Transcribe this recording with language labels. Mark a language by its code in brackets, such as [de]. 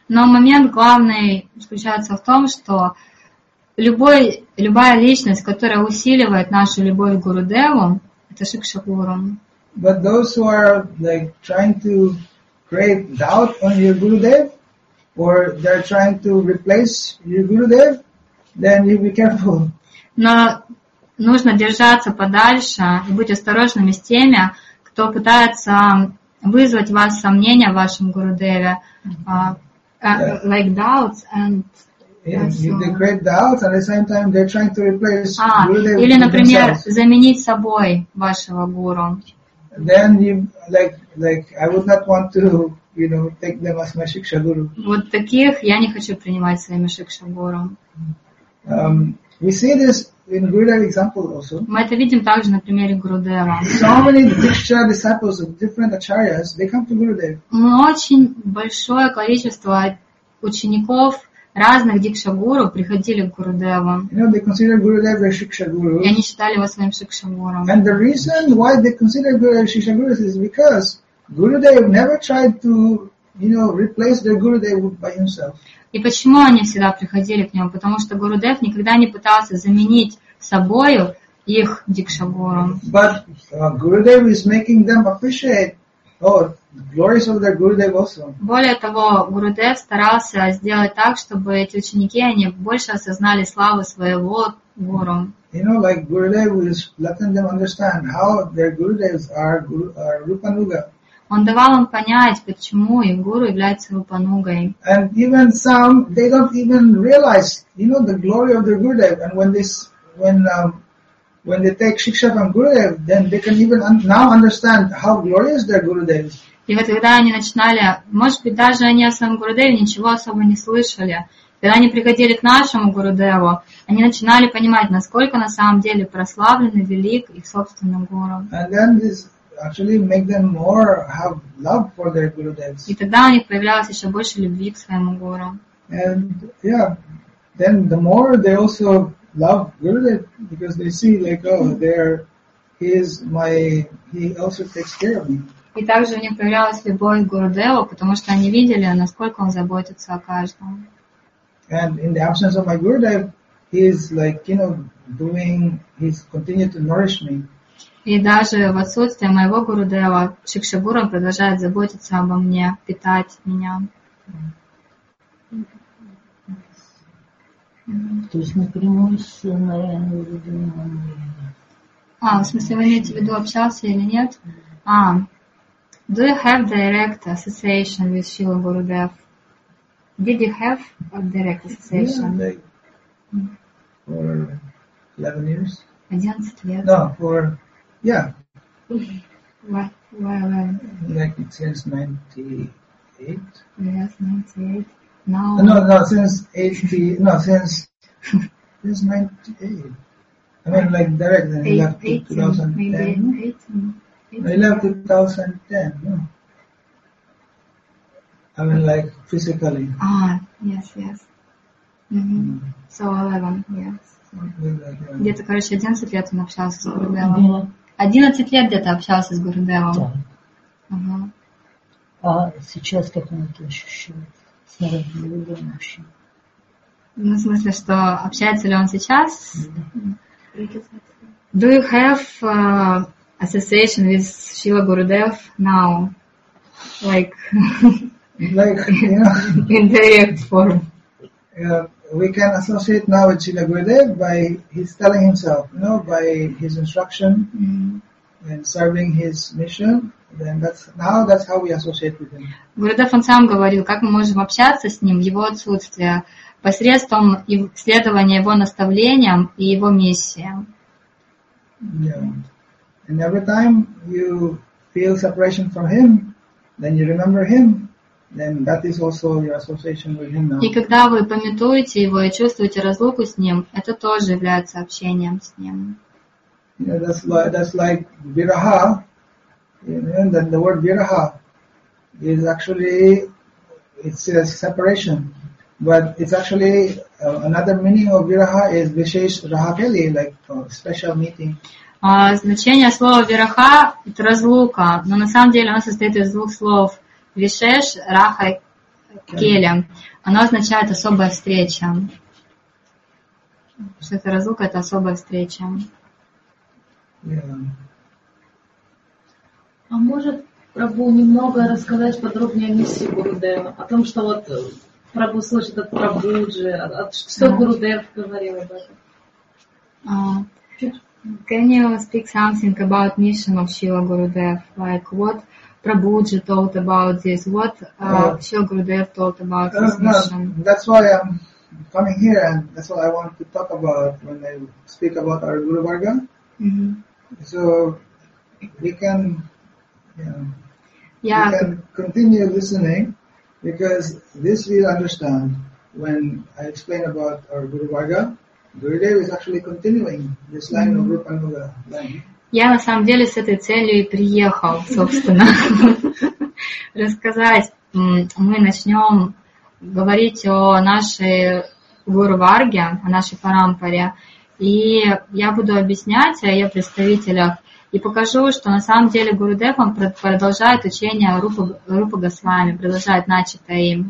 [ru] Но момент главный заключается в том, что любая личность, которая усиливает нашу любовь к Гурудеву, это Шикша Гуру. [en] But those who are like trying to create doubt on your Gurudev, or they're trying to replace your Gurudev, then you be careful. [ru] Но нужно держаться подальше и быть осторожными с теми, кто пытается вызвать у вас сомнения в вашем Гурудеве. [en] Like doubts and They create doubts and at the same time they're trying to replace Gurudev. [ru] Или, например, заменить собой вашего гуру. [en] Then you like I would not want to, take them as my Shiksha Guru. [ru] Вот таких я не хочу принимать своими Шикша Гуру. [en] We see this in Gurudev example also. [ru] Мы это видим также на примере Гурудева. [en] So many Diksha disciples of different acharyas, they come to Gurudev. [ru] Очень большое количество учеников разных Дикша Гуру приходили к Гурудеву. [en] They consider Gurudev their Shiksha Guru. [ru] И они считали его своим Шикша Гуру. [en] And the reason why they consider Gurudev Shiksha Guru is because Gurudev never tried to, replace their Gurudev by himself. [ru] И почему они всегда приходили к нему? Потому что Гурудев никогда не пытался заменить собою их дикшагуру. [en] But Gurudev is making them appreciate the glories of their Gurudev also. [ru] Более того, Гурудев старался сделать так, чтобы эти ученики они больше осознали славу своего гуру. [en] Like Gurudev is letting them understand how their Gurudevs are Rupanuga. [ru] Он давал им понять, почему их гуру является Рупанугой. [en] And even some, they don't even realize, the glory of their Gurudev. And when when they take Shiksha from Gurudev, then they can even now understand how glorious their Gurudev is. [ru] И вот когда они начинали, может быть, даже они о своем Гурудеве ничего особо не слышали, когда они приходили к нашему Гурудеву, они начинали понимать, насколько на самом деле прославленный, велик их собственный Гуру. И тогда у них появлялось еще больше любви к своему Гуру. И также у них появлялась любовь к Гурудеву, потому что они видели, насколько он заботится о каждом. [en] And in the absence of my Gurudev, he's like, you know, doing, he's continued to nourish me. [ru] И даже в отсутствие моего Гурудева, Шикшагуру продолжает заботиться обо мне, питать меня. То есть напрямую с моим Гурудевом. А, в смысле, вы имеете в виду, общался или нет? [en] А, do you have direct association with Srila Gurudev? Did you have a direct association? Yeah, like for 11 years. 11 years? No, for, yeah. Why? Like it since 98. Yes, 98. Now. since 98. I mean, like direct, then you left 2010. Maybe 18. 18. I left 2010, no. I mean, like, physically. Ah, yes. Mm-hmm. Mm-hmm. So, 11, yes. Mm-hmm. [ru] Где-то, короче, 11 лет он общался с Гурудевом. Mm-hmm. 11 лет где-то общался с Гурудевом. Да. Uh-huh. А сейчас как он это ощущает? С Гурудевом вообще? Ну, в смысле, что общается ли он сейчас? Mm-hmm. [en] Do you have association with Srila Gurudev now? Like... Like, you know, in direct form. We can associate now with Srila Gurudev by his telling himself, you know, by his instruction and serving his mission. Then that's how we associate with him. [ru] Гурудев сам говорил, как мы можем общаться с ним в его отсутствие посредством следования его наставлениям и его миссии. [en] Yeah. And every time you feel separation from him, then you remember him. Then that is also your association with him now. [ru] И когда вы памятуете его и чувствуете разлуку с ним, это тоже является общением с ним. [en] Yeah, that's like viraha. And then the word viraha is actually it's a separation, but it's actually another meaning of viraha is vishesh raha keli, like special meeting. [ru] Значение слова viraha это разлука, но на самом деле оно состоит из двух слов. Вишеш раха келем. Оно означает особая встреча. Что это разлука, это особая встреча. [en] Yeah. [ru] А может Прабу немного рассказать подробнее о миссии Гурудева? О том, что вот Прабу слышит от Прабуджи, что Гурудев говорил об этом? [en] Can you speak something about mission of Srila Gurudev? Like what Prabhuji told about this? What Srila Gurudev told about this mission? No, that's why I'm coming here, and that's what I want to talk about when I speak about our Guru Varga. Mm-hmm. So we can, we can continue listening, because this we'll understand when I explain about our Guru Varga. Gurudev is actually continuing this line of Rupa Nuga line. [ru] Я на самом деле с этой целью и приехал, собственно, рассказать. Мы начнем говорить о нашей Гуру-Варге, о нашей парампаре. И я буду объяснять о ее представителях и покажу, что на самом деле Гурудев продолжает учение Рупы Госвами, продолжает начатое им.